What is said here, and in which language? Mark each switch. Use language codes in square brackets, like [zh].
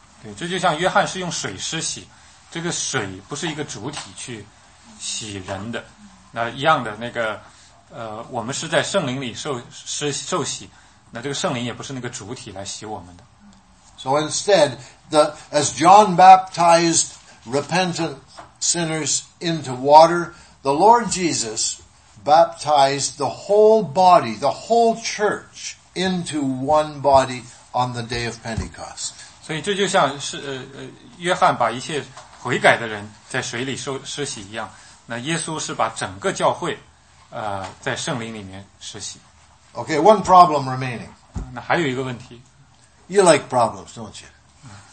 [zh] 对，这就像约翰是用水施洗。这个水不是一个主体去洗人的，那一样的那个，我们是在圣灵里受洗，那这个圣灵也不是那个主体来洗我们的。 [en] So instead, as John baptized repentant sinners into water, the Lord Jesus baptized the whole body, the whole church into one body on the day of Pentecost. [zh] 所以这就像是约翰把一切悔改的人在水里受施洗一样，那耶稣是把整个教会，在圣灵里面施洗。 [en] Okay, one problem remaining. [zh] 那还有一个问题。 [en] You like problems, don't you?